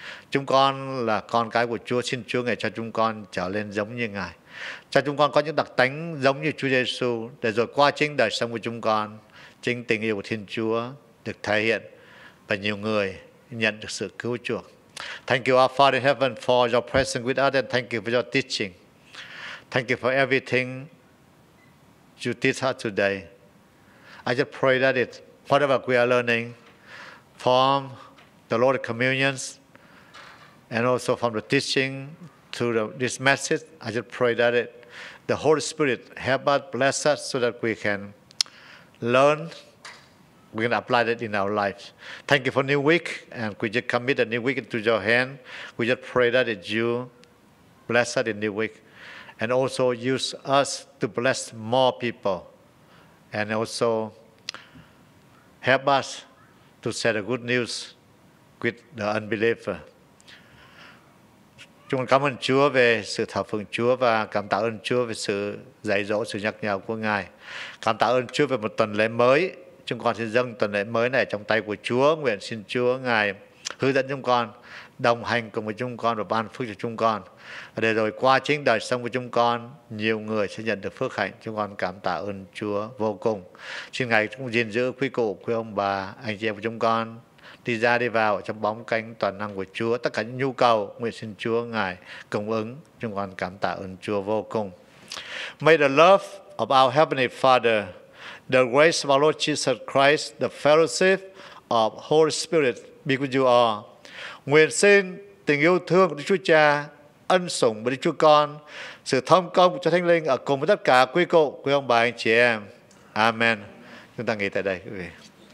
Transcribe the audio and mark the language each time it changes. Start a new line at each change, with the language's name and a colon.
Vietnamese: Chúng con là con cái của Chúa, xin Chúa Ngài cho chúng con trở nên giống như Ngài, cho chúng con có những đặc tính giống như Chúa Giêsu, để rồi qua chính đời sống của chúng con, chính tình yêu của Thiên Chúa được thể hiện và nhiều người nhận được sự cứu chuộc.
English: Thank you, our Father in heaven, for your presence with us, and thank you for your teaching. Thank you for everything you teach us today. I just pray that it, whatever we are learning from the Lord's Communion and also from the teaching to this message, I just pray that it, the Holy Spirit help us, bless us so that we can learn, we can apply it in our lives. Thank you for new week, and we just commit a new week into your hand. We just pray that it, you bless us in new week, and also use us to bless more people, and also help us to share the good news with the unbeliever.
Vietnamese: Chúng con cảm ơn Chúa về sự thờ phượng Chúa và cảm tạ ơn Chúa về sự dạy dỗ, sự nhắc nhở của Ngài. Cảm tạ ơn Chúa về một tuần lễ mới. Chúng con xin dâng tuần lễ mới này trong tay của Chúa. Nguyện xin Chúa Ngài hướng dẫn chúng con, đồng hành cùng với chúng con và ban phước cho chúng con. Và để rồi qua chính đời sống của chúng con, nhiều người sẽ nhận được phước hạnh. Chúng con cảm tạ ơn Chúa vô cùng. Xin Ngài cũng gìn giữ quý cụ, quý ông bà, anh chị em của chúng con đi ra đi vào trong bóng cánh toàn năng của Chúa. Tất cả những nhu cầu, nguyện xin Chúa Ngài cung ứng. Chúng con cảm tạ ơn Chúa vô cùng.
English: May the love of our Heavenly Father, the grace of our Lord Jesus Christ, the fellowship of Holy Spirit be with you all.
Vietnamese: Nguyện xin tình yêu thương của Đức Chúa Cha, ân sủng của Đức Chúa Con, sự thông công của Chúa Thánh Linh ở cùng với tất cả quý cô, quý ông bà, anh chị em. Amen. Chúng ta nghỉ tại đây, quý vị.